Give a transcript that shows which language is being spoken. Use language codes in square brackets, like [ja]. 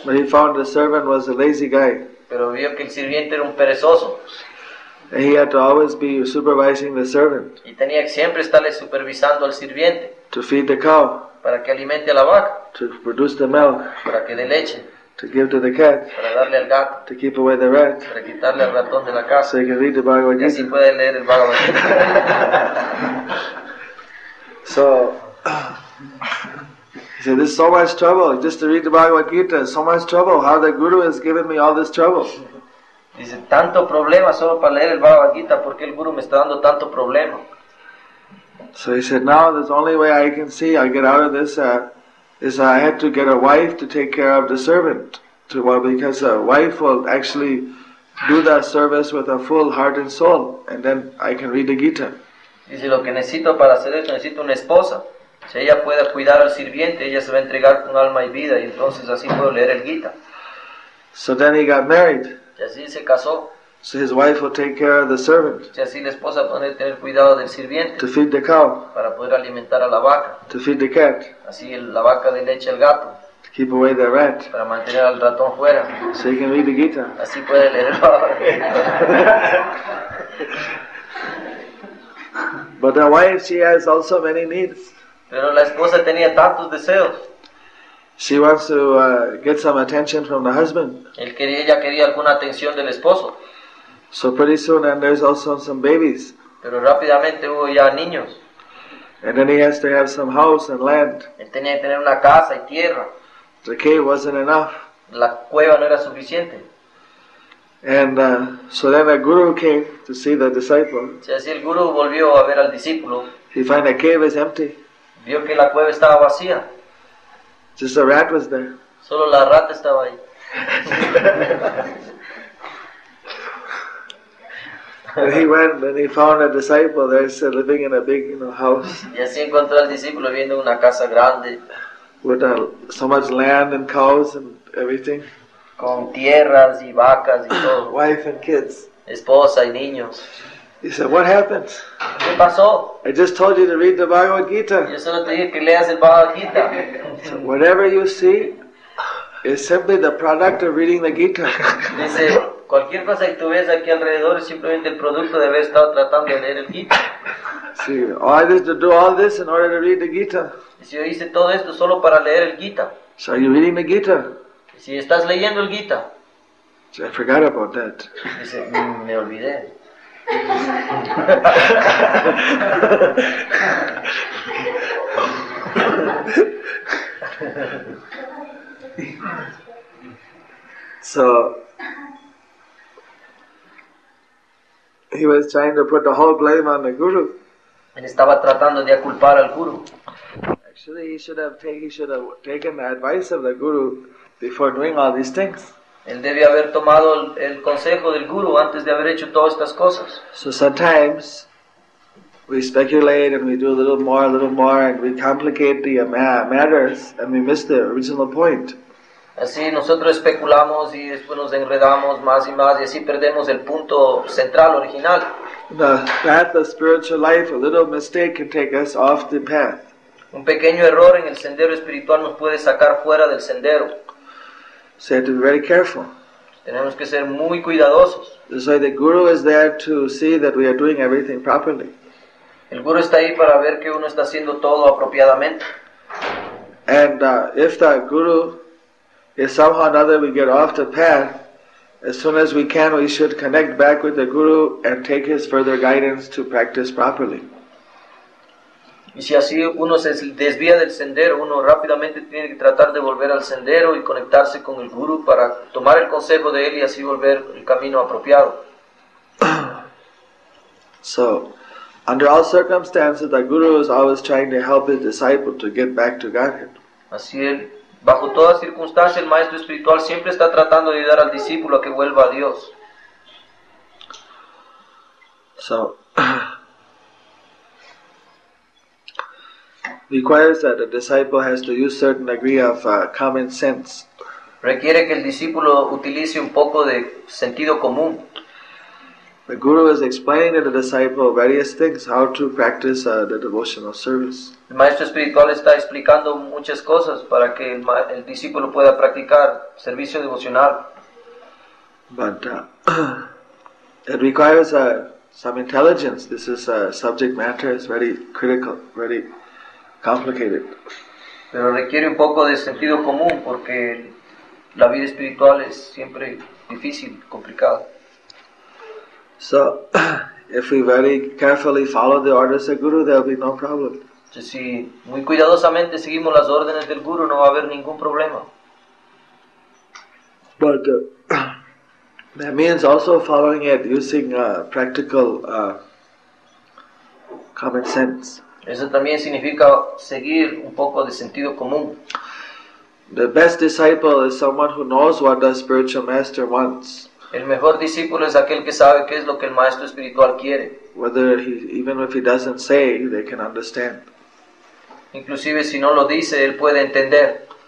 [en] But he found the servant was a lazy guy. [es] Pero vio que el sirviente era un perezoso. [en] And he had to always be supervising the servant. [es] Y tenía que siempre estarle supervisando al sirviente. [en] To feed the cow. [es] Para que alimente a la vaca. [en] To produce the milk. [es] Para que dé leche. [en] To give to the cat. [es] Para darle al gato. [en] To keep away the rat. [es] Para quitarle al ratón de la casa. [en] So he can read the Bhagavad Gita. [es] Y así puede leer el Bhagavad Gita. [en] So he said, "This is so much trouble. Just to read the Bhagavad Gita is so much trouble. How the guru has given me all this trouble." [es] Dice, tanto problema solo para leer el Bhagavad Gita, ¿por qué el guru me está dando tanto problema? [en] So he said, "Now the only way I can see I get out of this is I had to get a wife to take care of the servant, to, well, because a wife will actually do that service with a full heart and soul, and then I can read the Gita." [es] Dice, lo que necesito para hacer esto, necesito una esposa. Si ella puede cuidar al sirviente, ella se va a entregar con alma y vida, y entonces así puedo leer el Gita. [en] So then he got married. [es] Y así se casó. [en] So his wife will take care of the servant. [es] Y así la esposa puede tener cuidado del sirviente. [en] To feed the cow. [es] Para poder alimentar a la vaca. [en] To feed the cat. [es] Así la vaca de leche al gato. [en] to keep away the rat. [es] Para mantener al ratón fuera. [en] So you can read the Gita. [es] Así puede leerlo. [en] But the wife, she has also many needs. [es] Pero la esposa tenía tantos deseos. [en] She wants to get some attention from the husband. [es] Ella quería alguna atención del esposo. [en] So pretty soon, and there's also some babies. [es] Pero rápidamente hubo ya niños. [en] And then he has to have some house and land. [es] Él tenía que tener una casa y tierra. [en] The cave wasn't enough. [es] La cueva no era suficiente. [en] And so then the guru came to see the disciple. [es] Si así el guru volvió a ver al discípulo. [en] He found the cave is empty. [es] Vio que la cueva estaba vacía. [en] Just a rat was there. [es] Solo la rata estaba ahí. [en] And he went and he found a disciple there living in a big, you know, house. [es] Y así encontró al discípulo viviendo en una casa grande. [en] With so much land and cows and everything. [es] Con tierras y vacas y todo. [en] Wife and kids. [es] Esposa y niños. [en] He said, "What happened? [es] ¿Qué pasó? [en] I just told you to read the Bhagavad Gita." [es] Yo solo te dije que leas el Bhagavad Gita. [en] So whatever you see is simply the product of reading the Gita. [es] Dice, cualquier cosa que tú ves aquí alrededor es simplemente el producto de haber estado tratando de leer el Gita. [en] See, I just do all this in order to read the Gita. [es] Si yo hice todo esto solo para leer el Gita. [en] So are you reading the Gita? [es] Si estás leyendo el Gita. [en] So I forgot about that. [es] Dice, me olvidé. [en] So he was trying to put the whole blame on the guru. [es] Él estaba tratando de culpar al guru. [en] Actually, he should have taken the advice of the guru before doing all these things. [es] Él debía haber tomado el consejo del guru antes de haber hecho todas estas cosas. [en] So sometimes we speculate and we do a little more, and we complicate the matters and we miss the original point. [es] Así nosotros especulamos y después nos enredamos más y más y así perdemos el punto central original. [en] The path of spiritual life, a little mistake can take us off the path. [es] Un pequeño error en el sendero espiritual nos puede sacar fuera del sendero. [en] So you have to be very careful. [es] Tenemos que ser muy cuidadosos. [en] So the guru is there to see that we are doing everything properly. [es] El guru está ahí para ver que uno está haciendo todo apropiadamente. [en] And if the guru is somehow or another we get off the path, as soon as we can we should connect back with the guru and take his further guidance to practice properly. [es] Y si así uno se desvía del sendero, uno rápidamente tiene que tratar de volver al sendero y conectarse con el guru para tomar el consejo de él y así volver el camino apropiado. [en] So, under all circumstances, the guru is always trying to help his disciple to get back to Godhead. [es] Así él, bajo toda circunstancia, el maestro espiritual siempre está tratando de ayudar al discípulo a que vuelva a Dios. [en] So, requires that the disciple has to use certain degree of common sense. [es] Requiere que el discípulo utilice un poco de sentido común. [en] The guru is explaining to the disciple various things, how to practice the devotional service. [es] El maestro espiritual está explicando muchas cosas para que el discípulo pueda practicar servicio devocional. [en] But it requires some intelligence. This is a subject matter is very critical, very complicated. [es] Pero requiere un poco de sentido común porque la vida espiritual es siempre difícil, complicada. [en] So, if we very carefully follow the orders of Guru, there will be no problem. [es] Si muy cuidadosamente seguimos las órdenes del Guru, no va a haber ningún problema. [en] But that means also following it using practical common sense. [es] Eso también significa seguir un poco de sentido común. [en] The best disciple is someone who knows what the spiritual master wants. [es] El mejor discípulo es aquel que sabe qué es lo que el maestro espiritual quiere. [en] Whether he, even if he doesn't say, they can understand. [es] Inclusive si no lo dice, él puede entender.